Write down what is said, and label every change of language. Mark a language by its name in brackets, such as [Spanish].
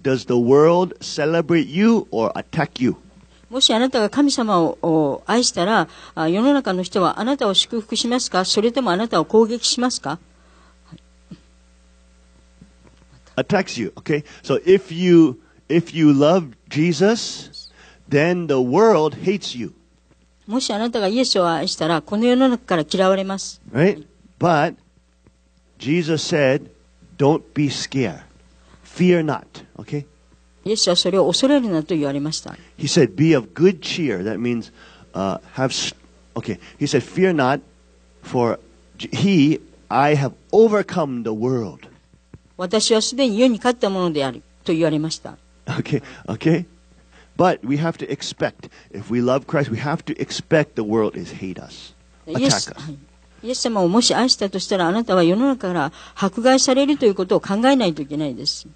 [English] Does the world celebrate you or attack you? [Japanese] もしあなたが神様を愛したら、世の中の人はあなたを祝福しますか、それともあなたを攻撃しますか？ [English] Attacks you. Okay, so if you love Jesus, then the world hates you. [Japanese] もしあなたがイエスを愛したら、この世の中から嫌われます。 [English] Right? But Jesus said, "Don't be scared. Fear not." Okay? [Japanese] イエスはそれを恐れるなと言われました。 [English] He said, "Be of good cheer." That means, okay. He said, "Fear not, for he, I have overcome the world." [Japanese] 私はすでに世に勝ったものであると言われました。 [English] Okay. But we have to expect, if we love Christ, we have to expect the world is hate us, attack us. [Japanese] イエス様をもし愛したとしたら、あなたは世の中から迫害されるということを考えないといけないです。